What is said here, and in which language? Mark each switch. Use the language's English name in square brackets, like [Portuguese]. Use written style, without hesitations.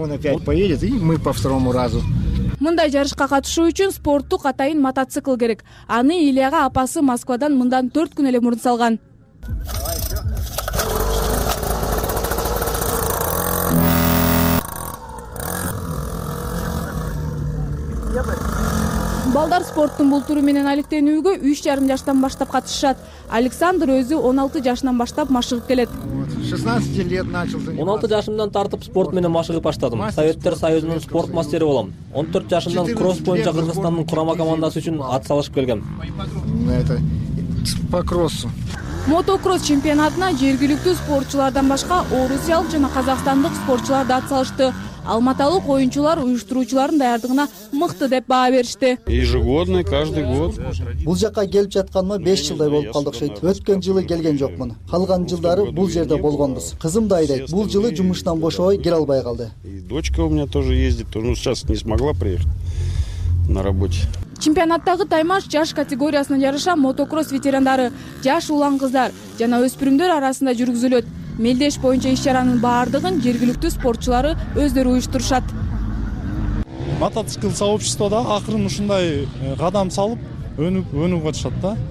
[Russian] Он опять поедет и мы по второму разу. [Kyrgyz] Мындай жарышка катышуу үчүн спорттук атайын мотоцикл керек. Аны Илияга апасы Москвадан мындан 4 күн эле мурун салган. Балдар спорттун бул түрү менен алектенүүгө 3.5 жаштан баштап катышышат. Александр өзү 16 жашынан баштап машыгып келет. [Russian] 16 лет начал заниматься. [Kyrgyz] 16 жашымдан тартып спорт менен машыгып баштадым. Советтер Союзунун спорт мастери болом. 14 жашымдан кросс боюнча Кыргызстандын курама командасы үчүн ат салышып келгем. [Russian] По кроссу. [Kyrgyz] Мотокросс чемпионатына жергиликтүү спортчулардан башка орусиялык жана казакстандык спортчулар да ат салышты. Алматалык оюнчулар уюштуруучулардын даярдыгына мыкты деп баа беришти. [Russian] Ежегодный, каждый год. [Kyrgyz] Бул жакка келип жатканыма 5 жылдай болуп калды окшойт. Өткөн жылы келген жокмун. Калган жылдары бул жерде болгонбуз. Кызым да айдайт. Бул жылы жумуштан бошобой кире албай калды. [Russian] Дочка у меня тоже ездит, но сейчас не смогла приехать на работе. [Kyrgyz] Чемпионаттагы таймаш жаш категориясына жараша мотокросс ветерандары, жаш улан кыздар жана өспүрүмдөр арасында жүргүзүлөт. Мелдеш боюнча иш-чаранын баардыгын жергиликтүү спортчулары өздөрү уюштурушат. Мотоцикл сообщество да акырын ушундай кадам салып өнүгүп атышат да.